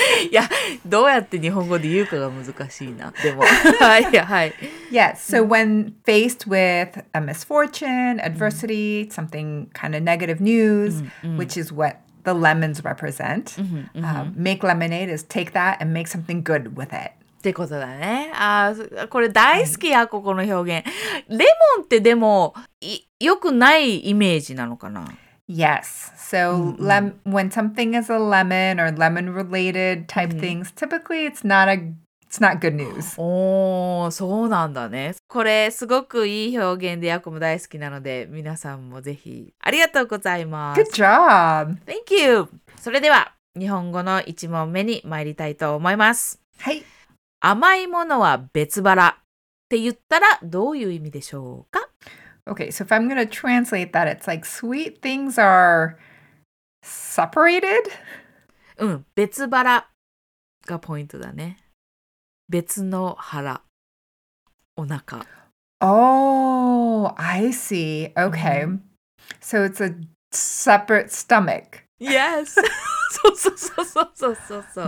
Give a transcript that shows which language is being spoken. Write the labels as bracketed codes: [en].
[ja] いや、どうやって日本語で言うかが難しいな。でも、はい、はい。 [en] Yes, so when faced with a misfortune, adversity, something kind of negative news, which is what the lemons represent, make lemonade is take that and make something good with it. [ja] ってことだね。あ、これ大好きや、ここの表現。レモンってでも、良くないイメージなのかな？ [en] Yes. So when something is a lemon or lemon related type things, typically it's not good news. [ja] Oh, そうなんだね。これすごくいい表現で、ヤコも大好きなので、皆さんもぜひありがとうございます。 [en] Good job. Thank you. [ja] それでは、日本語の一問目に参りたいと思います。はい。甘いものは別腹って言ったらどういう意味でしょうか？ [en] Okay, so if I'm going to translate that, it's like sweet things are separated? [ja] うん、別腹がポイントだね。別の腹、お腹。 [en] Oh, I see. Okay. So it's a separate stomach. Yes. [ja] そうそうそうそうそうそう。